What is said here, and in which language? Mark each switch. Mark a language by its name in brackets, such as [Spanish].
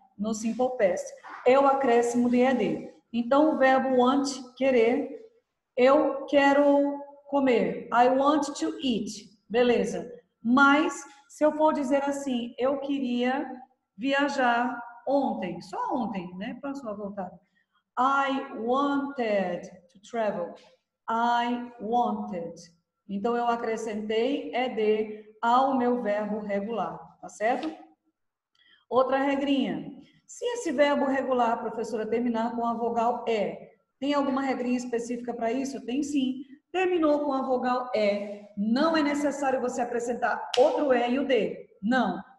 [Portuguese] No Simple Past, é o acréscimo de ED. Então, o verbo want, querer, eu quero comer, [English] I want to eat, [Portuguese] beleza. Mas, se eu for dizer assim, eu queria viajar ontem, só ontem, né? Passou a voltar. [English] I wanted to travel, I wanted. [Portuguese] Então, eu acrescentei ED ao meu verbo regular, tá certo? Outra regrinha. Se esse verbo regular, professora, terminar com a vogal E, tem alguma regrinha específica para isso? Tem sim. Terminou com a vogal E, não é necessário você acrescentar outro E e o D. Não.